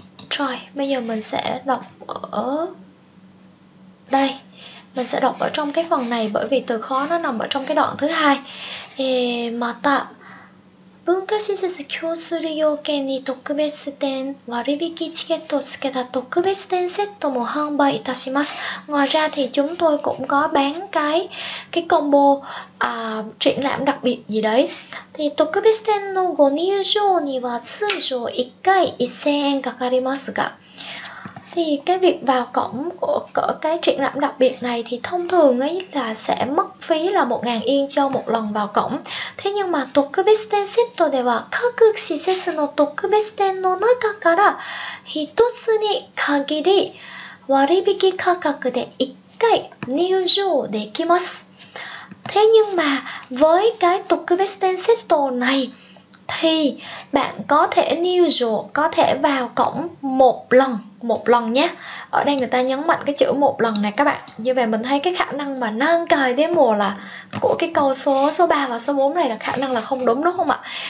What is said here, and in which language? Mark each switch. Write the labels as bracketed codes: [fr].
[vi] Rồi, bây giờ mình sẽ đọc ở đây. Mình sẽ đọc ở trong cái phần này bởi vì từ khóa nó nằm ở trong cái đoạn thứ hai. Mata. [ja] 文化施設供する要件に特別店割引チケットをつけた特別店セットも販売いたします。 [vi] Ngoài ra thì chúng tôi cũng có bán cái combo triển lãm đặc biệt gì đấy. [ja] Thì 特別店のご入場には通常1回1000円かかりますが。 [vi] Thì cái việc vào cổng của cái triển lãm đặc biệt này thì thông thường ấy là sẽ mất phí là 1000 yên cho một lần vào cổng. Thế nhưng mà [ja] tokubisten seto では各施設の特別店の中から一つに限り割引価格で一回入場できます。 [vi] Thế nhưng mà với cái tokubisten seto này thì bạn có thể niujo, có thể vào cổng một lần. Một lần nhé. Ở đây người ta nhấn mạnh cái chữ một lần này các bạn. Như vậy mình thấy cái khả năng mà nâng cài đến mùa là của cái câu số 3 và số 4 này là khả năng là không đúng, đúng không ạ?